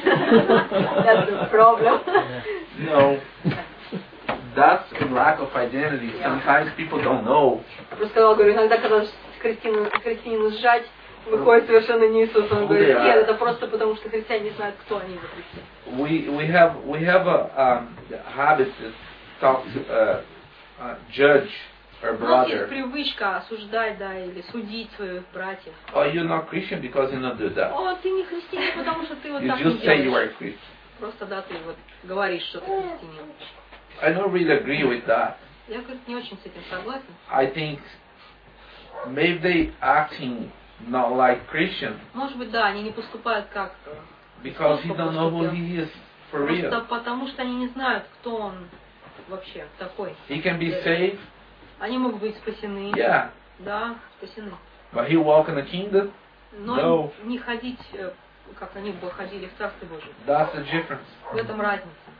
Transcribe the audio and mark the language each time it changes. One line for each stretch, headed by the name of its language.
English: That's the problem. No. That's a lack of identity. Yeah. Sometimes people don't know.
Russian: Просто сказал, говорю, иногда когда христианина сжать, выходит совершенно не Иисус. Он говорит, нет, это просто потому, что христиане не знают, кто они за Христа.
English: We have a habit to judge our brother.
Russian: У нас есть привычка осуждать, да, или судить своих братьев.
English: Oh, you're not Christian because you not do that.
Russian: О, ты не христианин, потому что ты вот
English: you
Russian: так не делаешь.
English: You just say you are Christian.
Russian: Просто, да, ты вот говоришь, что ты христианин.
English: I don't really agree with that.
Russian: Я как-то не очень с этим согласен.
English: I think maybe they acting not like Christian.
Russian: Может быть, да, они не поступают как.
English: Because he don't know who he is for real.
Russian: Просто потому что они не знают, кто он вообще такой.
English: He can be saved.
Russian: Они могут быть спасены.
English: Yeah.
Russian: Да, спасены.
English: But he walk in the kingdom.
Russian: Но
English: no.
Russian: Не ходить, как они бы ходили в Царстве Божьем.
English: That's the difference.
Russian: В этом разница.